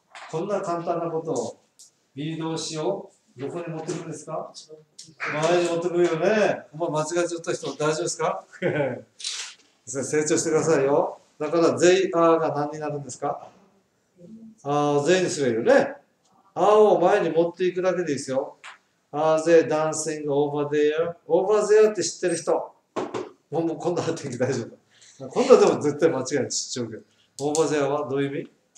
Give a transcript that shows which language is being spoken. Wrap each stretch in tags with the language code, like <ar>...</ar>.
<ja>こんな簡単なことを、B 動詞をどこに持ってくるんですか？前に持ってくるよね。お前間違えちゃった人、大丈夫ですか？成長してくださいよ。だから、they are が何になるんですか？ああ、they にすればいいよね。are を前に持っていくだけでいいですよ。</ja> <en>are they dancing over there?over there</en> <ja>って知ってる人。もう今度は天気大丈夫。今度はでも絶対間違いちっちゃうけど。オーバーゼアはどういう意味？</ja>